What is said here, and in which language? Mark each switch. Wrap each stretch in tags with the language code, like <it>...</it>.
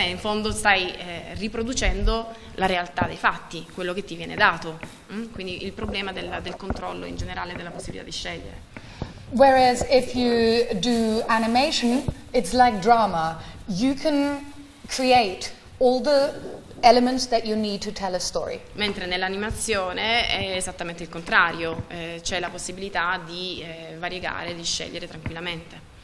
<it>In fondo stai riproducendo la realtà dei fatti, quello che ti viene dato. Quindi il problema del controllo in generale, della possibilità di scegliere.</it> <en>Whereas if you do animation, it's like drama. You can create all the elements that you need to tell a story.</en> <it>Mentre nell'animazione è esattamente il contrario, c'è la possibilità di variegare, di scegliere tranquillamente.</it>